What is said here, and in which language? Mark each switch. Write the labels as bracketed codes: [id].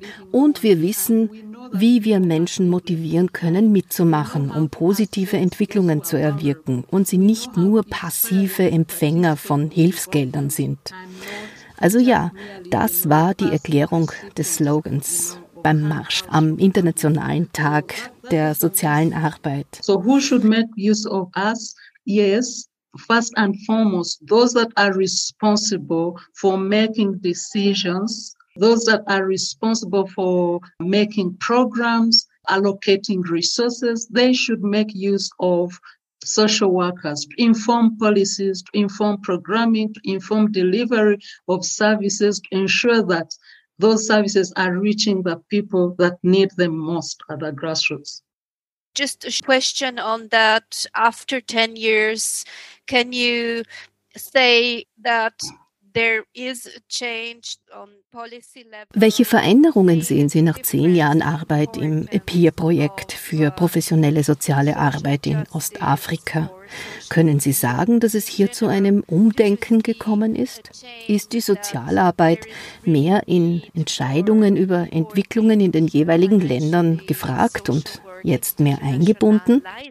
[de] Und wir wissen, wie wir Menschen motivieren können, mitzumachen, um positive Entwicklungen zu erwirken und sie nicht nur passive Empfänger von Hilfsgeldern sind. Also ja, das war die Erklärung des Slogans beim Marsch am Internationalen Tag der sozialen Arbeit. [en] So who should make use of us? Yes, first and foremost, those that are responsible for making decisions. Those that are responsible for making programs, allocating resources, they should make use of social workers to inform policies, to inform programming, to inform delivery of services, to ensure that those services are reaching the people that need them most at the grassroots. Just a question on that. After 10 years, can you say that there is a change on policy level? [de] Welche Veränderungen sehen Sie nach 10 Jahren Arbeit im EPIR-Projekt für professionelle soziale Arbeit in Ostafrika? Können Sie sagen, dass es hier zu einem Umdenken gekommen ist? Ist die Sozialarbeit mehr in Entscheidungen über Entwicklungen in den jeweiligen Ländern gefragt und jetzt mehr eingebunden?